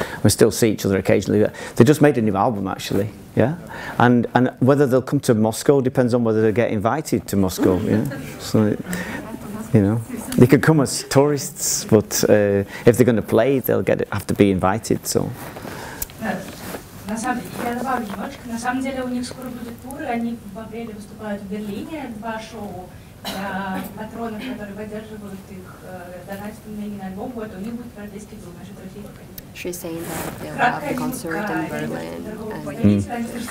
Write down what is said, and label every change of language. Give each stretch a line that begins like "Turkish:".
English: We still see each other occasionally. They just made a new album, actually. Yeah, and whether they'll come to Moscow depends on whether they get invited to Moscow. Yeah, so. You know, they could come as tourists, but if they're going to play, they'll get it, have to be invited. So.
Russian: На самом деле, я добавлю немножко. На самом деле, у них скоро будет тур. Они в апреле выступают в Берлине, два шоу для патронов, которые поддерживают их донатами на альбом. Вот у них будет провести тур, наши трофеи.
English: She's saying that they'll have a concert in Berlin.